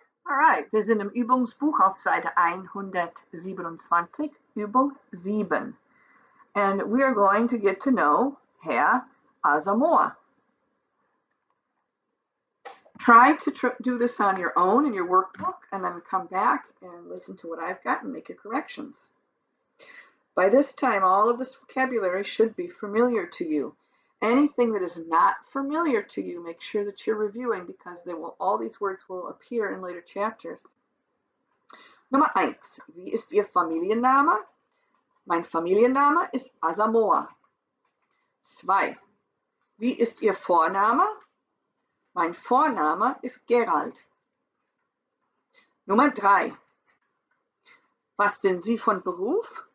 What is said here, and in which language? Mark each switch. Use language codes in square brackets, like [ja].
[de] Alright, wir sind im Übungsbuch auf Seite 127, Übung 7. [en] And we are going to get to know Herr Asamoah. Try to do this on your own in your workbook and then come back and listen to what I've got and make your corrections. By this time, all of this vocabulary should be familiar to you. Anything that is not familiar to you, make sure that you're reviewing because all these words will appear in later chapters. [de] Nummer eins, wie ist Ihr Familienname? Mein Familienname ist Asamoah. Zwei, wie ist Ihr Vorname? Mein Vorname ist Gerald. Nummer drei, was sind Sie von Beruf?